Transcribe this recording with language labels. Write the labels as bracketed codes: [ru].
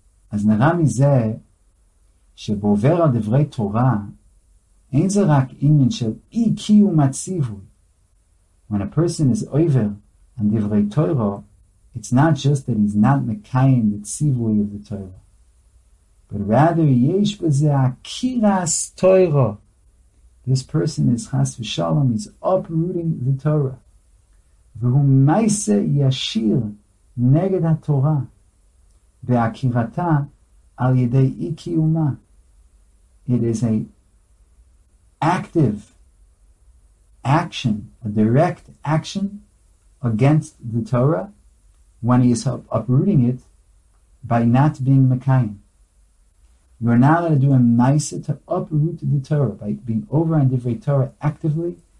[he] Az Nera Mizeh, Shebover Al Divrei Torah, אין זה רק עניין של אי קיום הציווי. [en] When a person is over on דברי תורה, it's not just that he's not מקיים the ציווי of the תורה. But rather, [he] יש בזה עקירס תורה. [en] This person is חס ושלום, he's uprooting the Torah. [he] והוא מעשה ישיר נגד התורה, בעקירתה על ידי אי קיומה. [en] It is a active action, a direct action against the Torah when he is uprooting it by not being mekayim. You are now going to do a maisa to uproot the Torah by being over on divrei Torah actively.